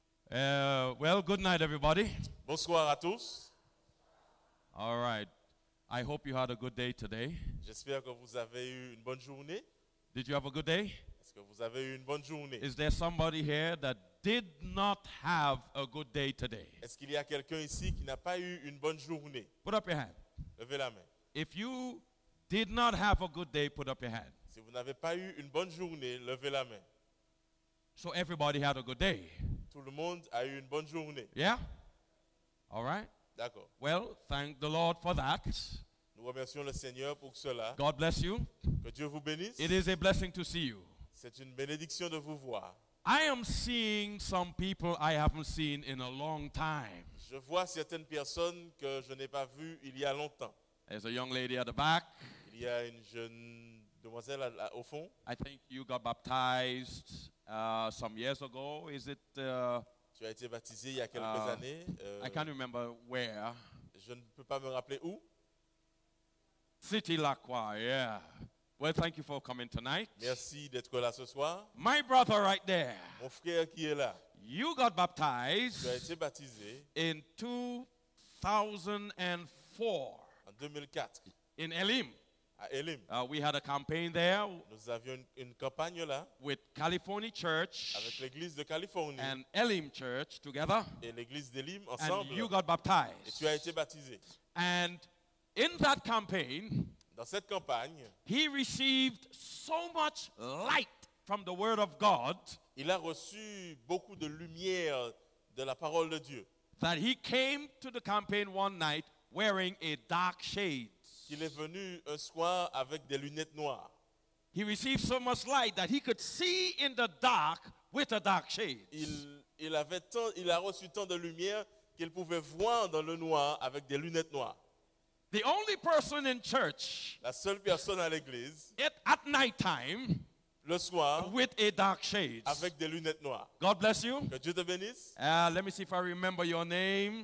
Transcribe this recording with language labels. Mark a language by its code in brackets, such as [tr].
[en] Well, good night, everybody. [fr] Bonsoir à tous. [en] All right. I hope you had a good day today. [fr] J'espère que vous avez eu une bonne journée. [en] Did you have a good day? [fr] Est-ce que vous avez eu une bonne journée? [en] Is there somebody here that did not have a good day today? [fr] Est-ce qu'il y a quelqu'un ici qui n'a pas eu une bonne journée? [en] Put up your hand. [fr] Levez la main. [en] If you did not have a good day, put up your hand. [fr] Si vous n'avez pas eu une bonne journée, levez la main. [en] So everybody had a good day. [fr] Tout le monde a eu une bonne journée. [en] Yeah? All right. [fr] D'accord. [en] Well, thank the Lord for that. [fr] Nous remercions le Seigneur pour cela. [en] God bless you. [fr] Que Dieu vous bénisse. [en] It is a blessing to see you. [fr] C'est une bénédiction de vous voir. [en] I am seeing some people I haven't seen in a long time. [fr] Je vois certaines personnes que je n'ai pas vues il y a longtemps. [en] There's a young lady at the back. [fr] Il y a une jeune demoiselle au fond. [en] I think you got baptized some years ago. Is it? [fr] Tu as été baptisé il y a quelques années. [en] I can't remember where. [fr] Je ne peux pas me rappeler où. [en] City Lockart, yeah. Well, thank you for coming tonight. [fr] Merci d'être là ce soir. [en] My brother right there. [fr] Mon frère qui est là. [en] You got baptized. [fr] Tu as été baptisé. [en] In 2004. [fr] En 2004. [en] In Elim. [fr] À Elim. [en] We had a campaign there. [fr] Nous avions une campagne là. [en] With California Church. [fr] Avec l'église de Californie. [en] And Elim Church together. [fr] Et l'église d'Elim ensemble. [en] And you got baptized. [fr] Et tu as été baptisé. [en] And in that campaign. [fr] Dans cette campagne, [en] he received so much light from the word of God. [fr] Il a reçu beaucoup de lumière de la parole de Dieu. [en] That he came to the campaign one night wearing a dark shade. [fr] Il est venu un soir avec des lunettes noires. [en] He received so much light that he could see in the dark with a dark shade. [fr] Il a reçu tant de lumière qu'il pouvait voir dans le noir avec des lunettes noires. [en] The only person in church, [fr] la seule personne à l'église, [en] at night time, [fr] le soir, [en] with a dark shade, [fr] avec des lunettes noires. [en] God bless you. [fr] Que Dieu te bénisse. [en] Let me see if I remember your name.